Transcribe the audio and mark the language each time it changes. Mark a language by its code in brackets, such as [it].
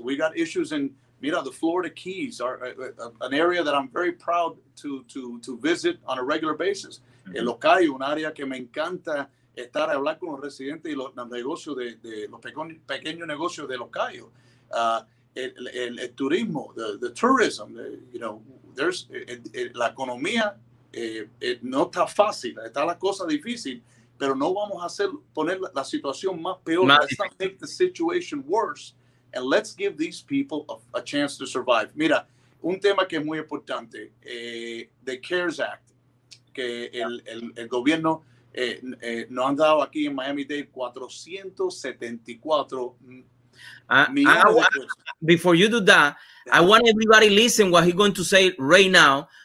[en] We got issues in, mira, the Florida Keys, an area that I'm very proud to visit on a regular basis. Mm-hmm. [es] En Los Cayos, un área que me encanta estar a hablar con los residentes y los negocios de los pequeños negocios de Los Cayos. El turismo, the tourism, you know, there's la economía no está fácil, está la cosa difícil. Pero no vamos a poner la situación más peor. [en] No. Let's not make the situation worse. And let's give these people a chance to survive. [es] Mira, un tema que es muy importante. The CARES Act. Que el gobierno nos han dado aquí en Miami-Dade 474 millones de pesos. [en] Before you do that, I want everybody to listen what he's going to say right now.